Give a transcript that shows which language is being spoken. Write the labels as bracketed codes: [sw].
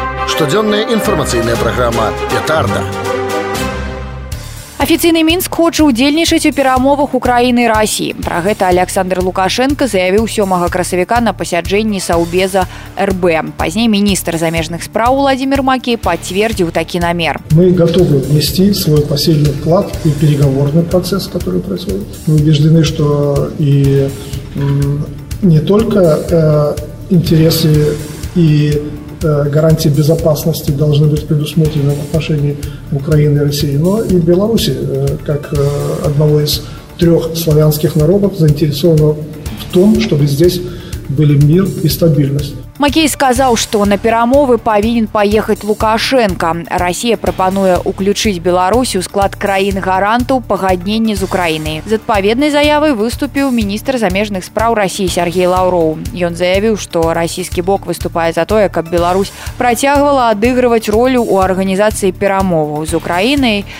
[be] Штодзённая інфармацыйная праграма «Петарда». Афіцыйны Мінск хоча ўдзельнічаць у перамовах Украіны і Расіі. Пра гэта Аляксандр Лукашэнка заявіў 7 красавіка на пасяджэнні Саўбеза РБ. Пазней міністр замежных справ Уладзімір Макей пацвердзіў такі намер. [ru] Мы готовы внести свой пасильный вклад и переговорный процесс, который происходит. Мы убеждены, что и не только интересы и гарантии безопасности должны быть предусмотрены в отношении Украины и России, но и Беларуси, как одного из трех славянских народов, заинтересованы в том, чтобы здесь были мир и стабильность. [be] Макей сказаў, што на перамовы павінен паехаць Лукашэнка. Расія прапануе ўключыць Беларусь у склад краін-гарантаў пагаднення з Украінай. З адпаведнай заявай выступіў міністр замежных справ Расіі Сергей Лаўроў. Ён заявіў, што расійскі бок выступае за тое, каб Беларусь працягвала адыгрываць ролю ў арганізацыі перамоваў з Украінай.